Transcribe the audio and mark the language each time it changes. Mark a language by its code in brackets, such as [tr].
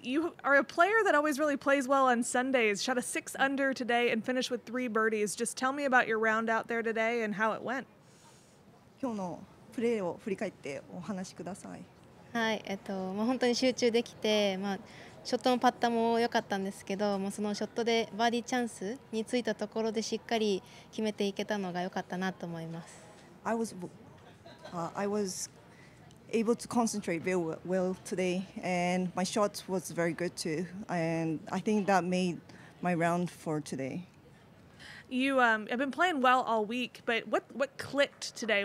[en] You are a player that always really plays well on Sundays. Shot a 6-under today and finished with 3 birdies. Just tell me about your round out there today and how it went. [ja] 今日のプレーを振り返ってお話しください。はい、まあ、本当に集中できて、まあ、ショットのパッタも良かったんですけど、もうそのショットでバーディーチャンスについたところでしっかり決めていけたのが良かったなと思います。 [en] I was able to concentrate very well today, and my shot was very good too, and I think that made my round for today. You have been playing well all week, but what clicked today?